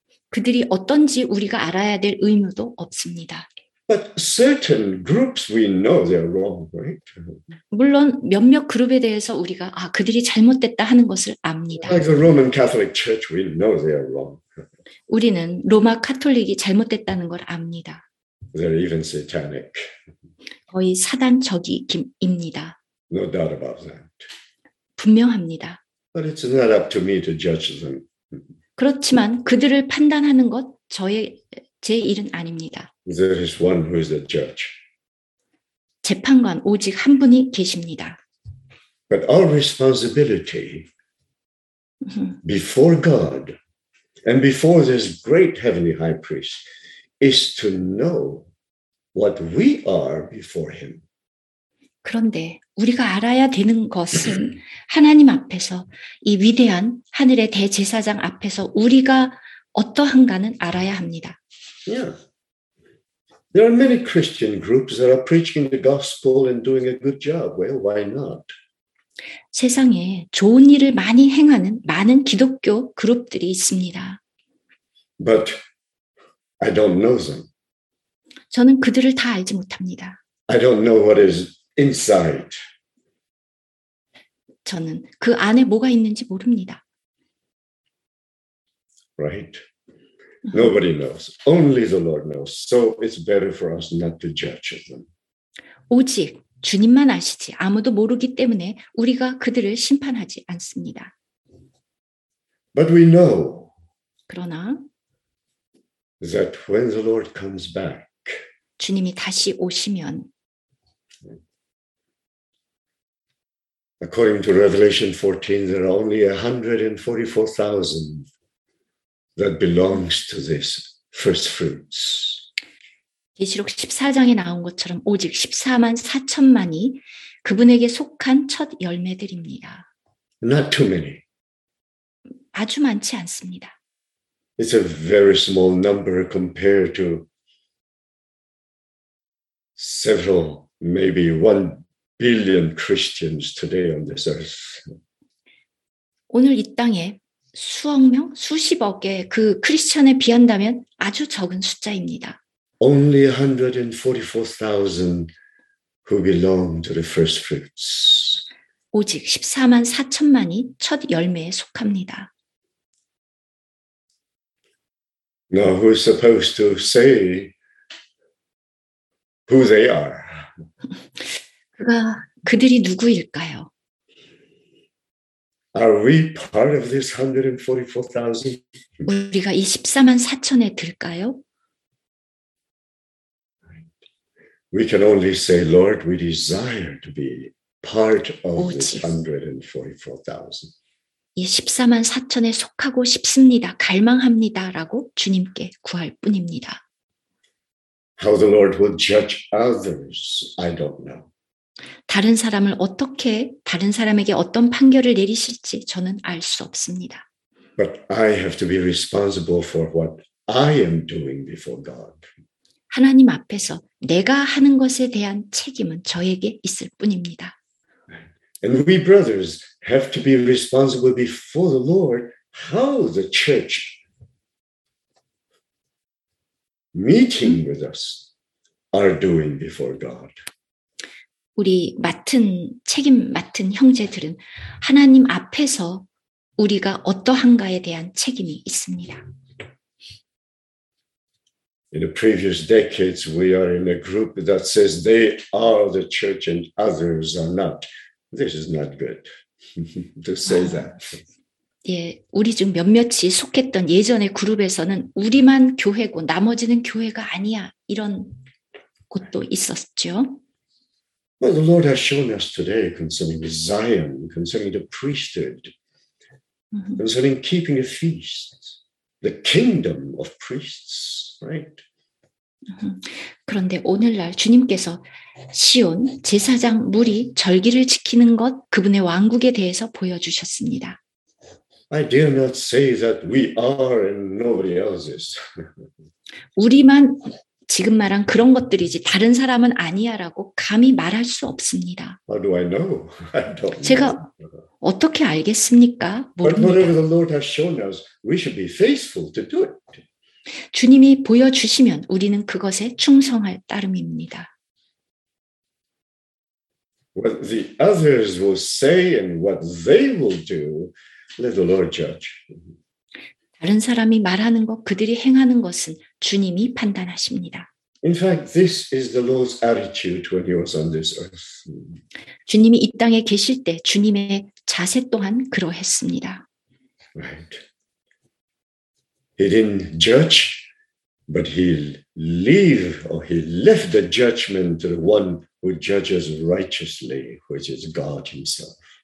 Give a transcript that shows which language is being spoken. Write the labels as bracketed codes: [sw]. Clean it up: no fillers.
[ko] 그들이 어떤지 우리가 알아야 될 의무도 없습니다. [en] But certain groups we know they're wrong, right? [ko] 물론 몇몇 그룹에 대해서 우리가 아 그들이 잘못됐다 하는 것을 압니다. [en] Like the Roman Catholic Church, we know they're wrong. [ko] 우리는 로마 카톨릭이 잘못됐다는 걸 압니다. [en] They're even satanic. [ko] 거의 사단적입니다. [en] No doubt about that. [ko] 분명합니다. [en] But it's not up to me to judge them. [ko] 그렇지만 그들을 판단하는 것 저의 제 일은 아닙니다. [en] There is one who is the judge. [ko] 재판관 오직 한 분이 계십니다. [en] But our responsibility before God and before this great heavenly high priest is to know what we are before him. [ko] 그런데 우리가 알아야 되는 것은 하나님 앞에서 이 위대한 하늘의 대제사장 앞에서 우리가 어떠한가는 알아야 합니다. [en] Yeah. There are many Christian groups that are preaching the gospel and doing a good job. Well, why not? [ko] 세상에 좋은 일을 많이 행하는 많은 기독교 그룹들이 있습니다. [en] But I don't know them. [ko] 저는 그들을 다 알지 못합니다. [en] I don't know what is inside. [ko] 저는 그 안에 뭐가 있는지 모릅니다. [en] Right. Nobody knows. Only the Lord knows. So it's better for us not to judge them. [ko] 오직 주님만 아시지 아무도 모르기 때문에 우리가 그들을 심판하지 않습니다. [en] But we know [ko] 그러나 [en] that when the Lord comes back [ko] 주님이 다시 오시면 [en] According to Revelation 14, there are only 144,000 that belongs to this first fruits. [ko] 계시록 14장에 나온 것처럼 오직 14만 4천만이 그분에게 속한 첫 열매들입니다. [en] Not too many. [ko] 아주 많지 않습니다. [en] It's a very small number compared to several, maybe 1 billion Christians today on this earth. [ko] 오늘 이 땅에 수억 명, 수십억의 그 크리스천에 비한다면 아주 적은 숫자입니다. [en] Only 144,000 who belong to the first fruits. [ko] 오직 14만 4천만이 첫 열매에 속합니다. [en] Now who is supposed to say who they are? [ko] 그가 그들이 누구일까요? [en] Are we part of this 144,000? [ko] 우리가 이 14만 4천에 들까요? [en] We can only say, Lord, we desire to be part of this 144,000. [ko] 이 14만 4천에 속하고 싶습니다. 갈망합니다라고 주님께 구할 뿐입니다. [en] How the Lord will judge others, I don't know. [ko] 다른 사람을 어떻게 다른 사람에게 어떤 판결을 내리실지 저는 알 수 없습니다. [en] But I have to be responsible for what I am doing before God. [ko] 하나님 앞에서 내가 하는 것에 대한 책임은 저에게 있을 뿐입니다. [en] And we brothers have to be responsible before the Lord how the church meeting with us are doing before God. [ko] 우리 맡은 책임 맡은 형제들은 하나님 앞에서 우리가 어떠한가에 대한 책임이 있습니다. [en] In the previous decades, we are in a group that says they are the church and others are not. This is not good to say that. [ko] 예, 우리 중 몇몇이 속했던 예전의 그룹에서는 우리만 교회고 나머지는 교회가 아니야 이런 것도 있었죠. [en] Well, the Lord has shown us today concerning Zion, concerning the priesthood, concerning keeping a feast. The kingdom of priests, right? [ko] 그런데 오늘날 주님께서 시온 제사장 무리 절기를 지키는 것 그분의 왕국에 대해서 보여주셨습니다. [en] I dare not say that we are and nobody else's. [ko] 우리만 지금 말한 그런 것들이지 다른 사람은 아니야라고 감히 말할 수 없습니다. [en] How do I know? I don't. [ko] 제가 어떻게 알겠습니까? 모릅니다. [en] But whatever the Lord has shown us, we should be faithful to do it. [ko] 주님이 보여주시면 우리는 그것에 충성할 따름입니다. [en] What the others will say and what they will do, let the Lord judge. [ko] 다른 사람이 말하는 것, 그들이 행하는 것은 주님이 판단하십니다. [en] In fact, this is the Lord's attitude when he was on this earth. [ko] 주님이 이 땅에 계실 때 주님의 자세 또한 그러했습니다. [en] Right. He didn't judge, but he leave or he left the judgment to the one who judges righteously, which is God himself.